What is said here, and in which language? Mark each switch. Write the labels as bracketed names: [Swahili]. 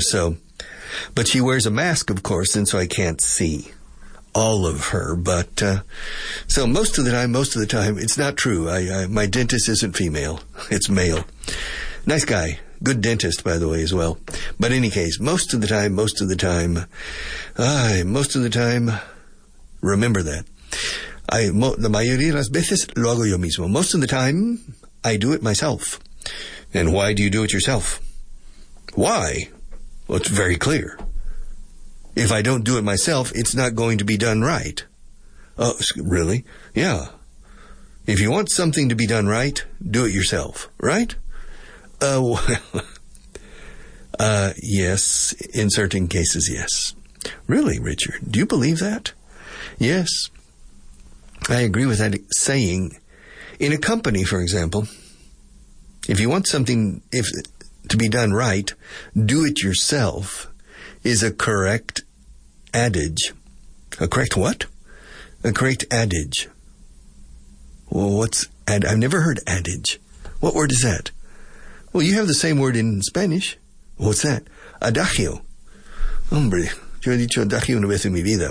[English] So, but she wears a mask, of course, and so I can't see all of her, but so most of the time, it's not true. My dentist isn't female, it's male. Nice guy, good dentist, by the way, as well. But in any case, most of the time, remember that. [Spanish] La mayoría de las veces lo hago yo mismo. [English] Most of the time, I do it myself. And why do you do it yourself? Why? Well, it's very clear. If I don't do it myself, it's not going to be done right. Oh, really? Yeah. If you want something to be done right, do it yourself, right? Yes. In certain cases, yes. Really, Richard? Do you believe that? Yes. I agree with that saying. In a company, for example, if you want something to be done right, do it yourself is a correct adage. A correct what? A correct adage. Well, what's adage? I've never heard adage. What word is that? Well, you have the same word in Spanish. What's that? Adagio. [Spanish] Hombre, yo he dicho adagio una vez en mi vida.